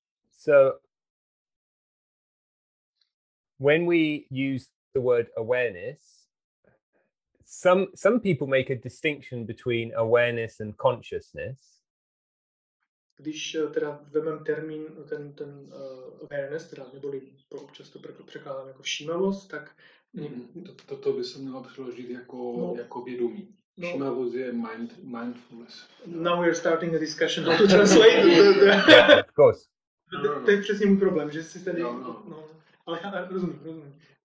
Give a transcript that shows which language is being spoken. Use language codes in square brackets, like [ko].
[en] So when we use the word awareness, Some people make a distinction between awareness and consciousness. [cs] Když teda vezmem termín ten awareness, teda neboli často překládám jako všímavost, tak to by se mělo přeložit jako vědomí. No. Všímavost je mindfulness. [en] Now we are starting a discussion how to translate. Yeah, of course. [cs] To je přesně můj problém, že si tady ale rozumím.